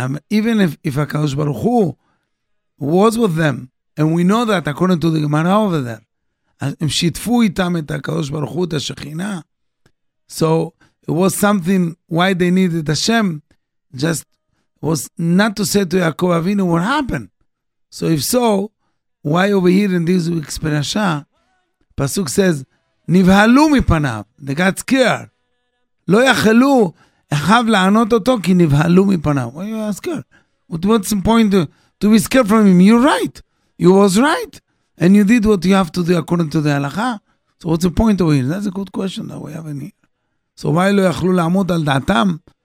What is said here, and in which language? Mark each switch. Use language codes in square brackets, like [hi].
[en] Even if HaKadosh Baruch Hu was with them, and we know that according to the Gemara over there, if [he] shitfu itam et HaKadosh Baruch Hu, [en] the Shekhinah, so it was something, why they needed Hashem, just was not to say to Yaakov Avinu what happened. So if so, why over here in this week's Parasha, Pasuk says, [he] Nivhalu mipanav, [en] they got scared. [he] לא יחלו אחיו לענות אותו כי נבהלו מפניו. [en] Why you ask her? What's the point to be scared from him? You're right. You was right. And you did what you have to do according to the halakha. So what's the point of it? That's a good question that we have in here. So why [he] לא יחלו לעמוד על דעתם?